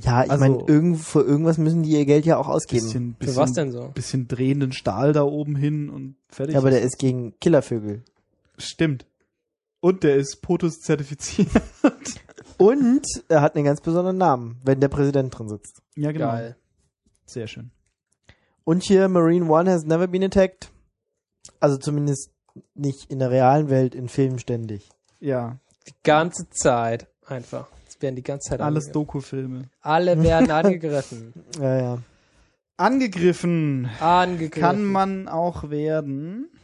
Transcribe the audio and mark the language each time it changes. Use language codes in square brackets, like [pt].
[de] Ja, ich also, meine, für irgendwas müssen die ihr Geld ja auch ausgeben. Für was denn so? Bisschen drehenden Stahl da oben hin und fertig. Ja, aber der ist gegen Killervögel. Stimmt. Und der ist POTUS zertifiziert. Und er hat einen ganz besonderen Namen, wenn der Präsident drin sitzt. Ja, genau. Geil. Sehr schön. Und hier, [en] Marine One has never been attacked. [de] Also zumindest nicht in der realen Welt, in Filmen ständig. Ja. Die ganze Zeit einfach. Es werden die ganze Zeit alles angegriffen. Alles Doku-Filme. Alle werden angegriffen. Ja, ja. Angegriffen. Kann man auch werden.